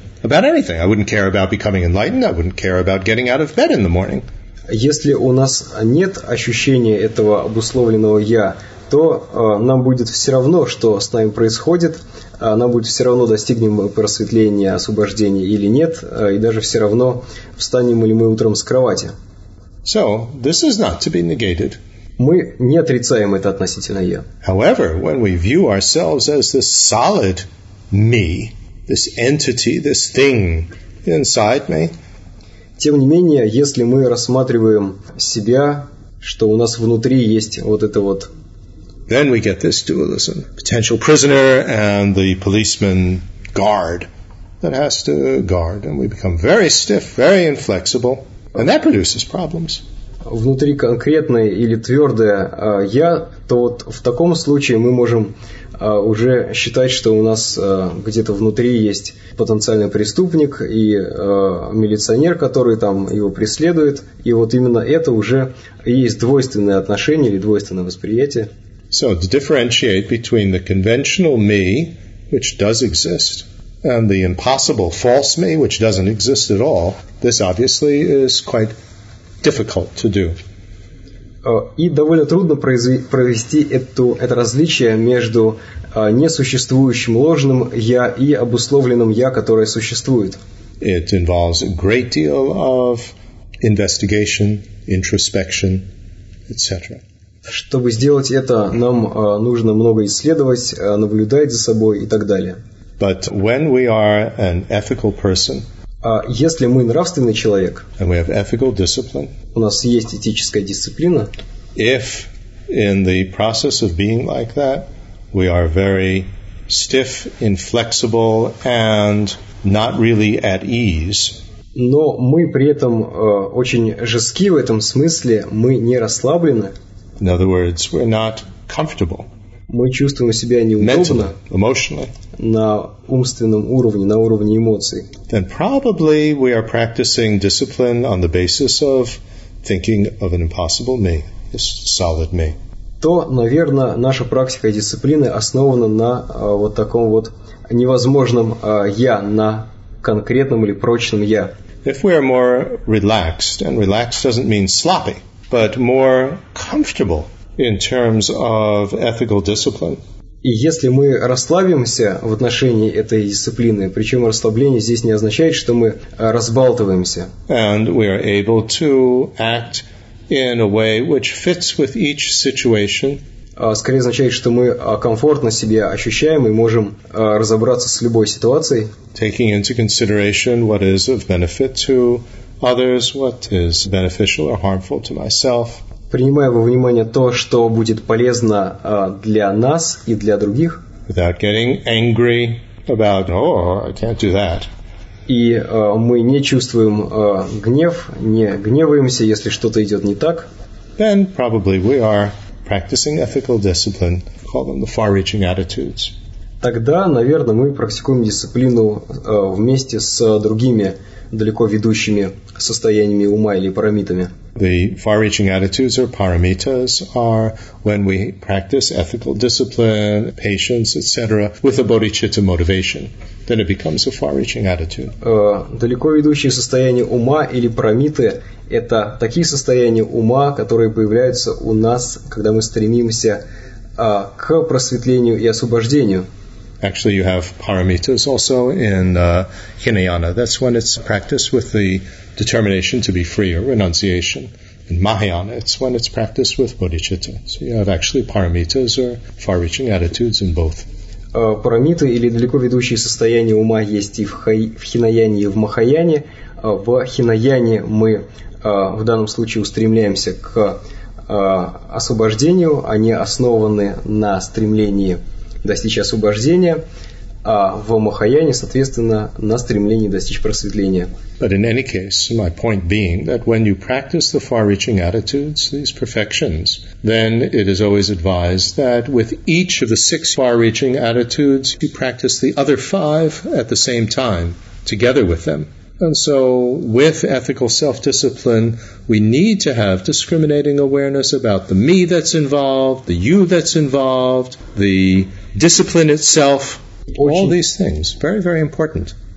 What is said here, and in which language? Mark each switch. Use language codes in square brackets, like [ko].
[en] about anything. I wouldn't care about becoming enlightened. I wouldn't care about getting out of bed in the morning. [ru] Если у нас нет ощущения этого обусловленного «я», то нам будет все равно, что с нами происходит, нам будет все равно, достигнем мы просветления, освобождения или нет, и даже все равно, встанем ли мы утром с кровати. [en] So, this is not to be negated. [ru] Мы не отрицаем это относительно «я». [en] However, when we view ourselves as this solid «me», this entity, this thing inside me, [ru] тем не менее, если мы рассматриваем себя, что у нас внутри есть вот это вот... [en] Then we get this dualism. Potential prisoner and the policeman guard that has to guard. And we become very stiff, very inflexible. And that produces problems. [ru] Внутри конкретное или твердое «я», то вот в таком случае мы можем уже считать, что у нас где-то внутри есть потенциальный преступник и милиционер, который там его преследует. И вот именно это уже и есть двойственное отношение или двойственное восприятие. [en] So, to differentiate between the conventional me, which does exist, and the impossible false me, which doesn't exist at all, this obviously is quite difficult to do. [ru] И довольно трудно провести это различие между несуществующим ложным «я» и обусловленным «я», которое существует. [en] It involves a great deal of investigation, introspection, etc. [ru] Чтобы сделать это, нам нужно много исследовать, наблюдать за собой и так далее. [en] But when we are an ethical person, [ru] если мы нравственный человек, [en] and we have ethical discipline, [ru] у нас есть этическая дисциплина, [en] if in the process of being like that, we are very stiff, inflexible, and not really at ease. [ru] Но мы при этом очень жестки в этом смысле, мы не расслаблены. [en] In other words, we're not comfortable. [ru] Мы чувствуем себя неудобно. [en] Mentally, emotionally. [ru] На умственном уровне, на уровне эмоций. [en] Then probably we are practicing discipline on the basis of thinking of an impossible me, this solid me. [ru] То, наверное, наша практика дисциплины основана на вот таком вот невозможном я, на конкретном или прочном я. [en] If we are more relaxed, and relaxed doesn't mean sloppy, but more comfortable in terms of ethical discipline. [ru] И если мы расслабимся в отношении этой дисциплины, причем расслабление здесь не означает, что мы разбалтываемся. [en] And we are able to act in a way which fits with each situation. [ru] Скорее означает, что мы комфортно себя ощущаем и можем разобраться с любой ситуацией. [en] Taking into consideration what is of benefit to others, what is beneficial or harmful to myself. [ru] Принимая во внимание то, что будет полезно для нас и для других. [en] Without getting angry about, oh, I can't do that. [ru] И мы не чувствуем гнев, не гневаемся, если что-то идет не так. [en] Then probably we are practicing ethical discipline, call them the far-reaching attitudes. [ru] Тогда, наверное, мы практикуем дисциплину вместе с другими далеко ведущими состояниями ума или парамитами. [en] The far-reaching attitudes or paramitas are when we practice ethical discipline, patience, etc., with a bodhicitta motivation. Then it becomes a far-reaching attitude. [ru] Далеко ведущие состояния ума или парамиты – это такие состояния ума, которые появляются у нас, когда мы стремимся к просветлению и освобождению. [en] Actually, you have paramitas also in Hinayana. That's when it's practiced with the determination to be free or renunciation. In Mahayana, it's when it's practiced with bodhicitta. So you have actually paramitas or far-reaching attitudes in both. [ru] Парамиты или далеко ведущие состояния ума есть и в Хинаяне, и в Махаяне. В Хинаяне мы в данном случае устремляемся к освобождению. Они основаны на стремлении достичь освобождения, а в Махаяне, соответственно, на стремлении достичь просветления. [en] But in any case, my point being that when you practice the far-reaching attitudes, these perfections, then it is always advised that with each of the six far-reaching attitudes, you practice the other five at the same time, together with them. And so, with ethical self-discipline, we need to have discriminating awareness about the me that's involved, the you that's involved, the discipline itself, all these things, very, very important.